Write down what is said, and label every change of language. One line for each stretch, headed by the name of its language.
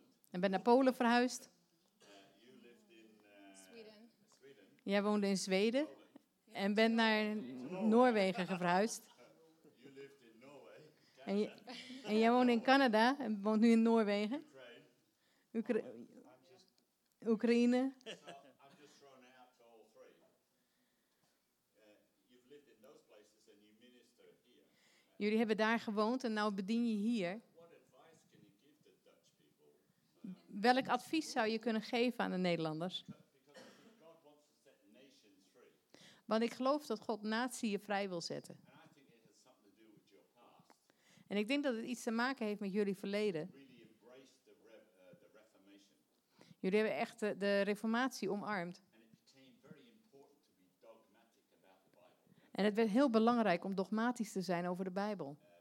Dutch: En bent naar Polen verhuisd. Jij woonde in Zweden. En ben naar Noorwegen verhuisd.
English: You lived in Norway,
Dutch: en jij woont in Canada en woont nu in Noorwegen. Oekraïne.
English: So I'm just throwing out to all three. those places and you minister here.
Dutch: Jullie hebben daar gewoond en nou bedien je hier.
English: What advice can you give the Dutch people?
Dutch: Welk advies zou je kunnen geven aan de Nederlanders?
English: God wants to set nations free.
Dutch: Want ik geloof dat God natieën vrij wil zetten.
English: And I think it has something to do with your past.
Dutch: En ik denk dat het iets te maken heeft met jullie verleden. Jullie hebben echt de reformatie omarmd. En het werd heel belangrijk om dogmatisch te zijn over de Bijbel.